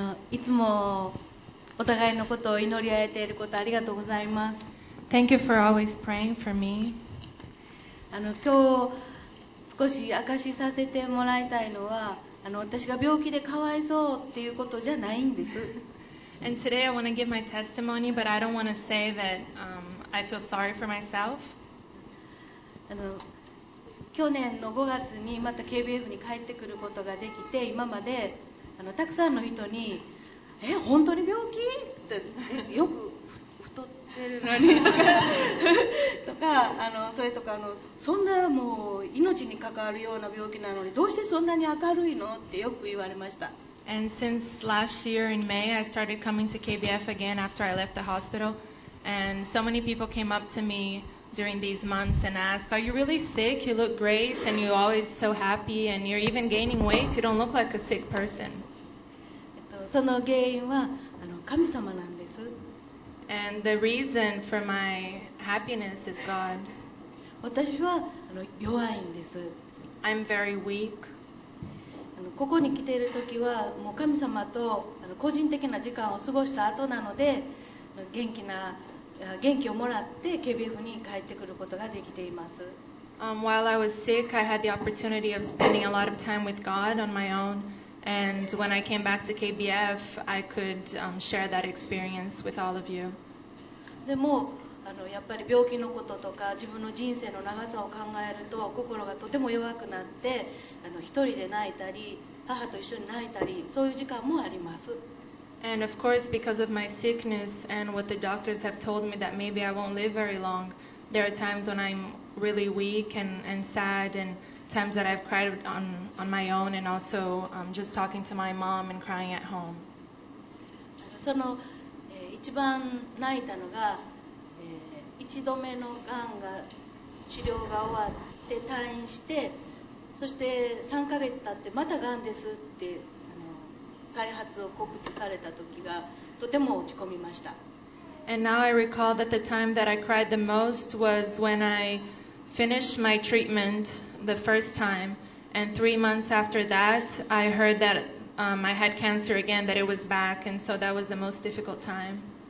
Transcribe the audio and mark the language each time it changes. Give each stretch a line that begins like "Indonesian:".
Japanese: いつもお互いのことを祈り合えていることありがとうございます。
English: Thank you for always praying for me.
Japanese: 今日少し明かしさせてもらいたいのは私が病気でかわいそうっていうことじゃないんです。
English: And today I want to give my testimony, but I don't want to say that I feel sorry for myself.
Japanese: 去年の5月にまた KBF に帰ってくることができて、今までたくさんの人に、え、本当に病気って、よく太ってるのにとか、とかそれとかそんなもう命に関わるような病気なのに、どうしてそんなに明るいのってよく言われました。
English: And since last year in May, I started coming to KBF again after I left the hospital. And so many people came up to me during these months and asked, are you really sick? You look great and you're always so happy and you're even gaining weight. You don't look like a sick person.
Japanese: その原因は神様なんです。
English: And the reason for my happiness is God.
Japanese: 私は弱いんです。
English: I'm very weak.
Japanese: ここに来ている時はもう神様と個人的な時間を過ごした後なので元気をもらって KBF に帰ってくることができています。
English: While I was sick, I had the opportunity of spending a lot of time with God on my own. And when I came back to KBF, I could share that experience with all of you.
Japanese: でもやっぱり病気のこととか自分の人生の長さを考えると心がとても弱くなって一人で泣いたり母と一緒に泣いたりそういう時間もあります。
English: And of course, because of my sickness and what the doctors have told me that maybe I won't live very long, there are times when I'm really weak and sad, and times that I've cried on my own, and also just talking to my mom and crying at home.
Japanese: その一番泣いたのが一度目のがんが治療が終わって退院して、そして3ヶ月経ってまたがんですって再発を告知された時がとても落ち込みました。
English: And now I recall that the time that I cried the most was when I finished my treatment the first time, and 3 months after that I heard that I had cancer again, that it was back, and so that was the most difficult time.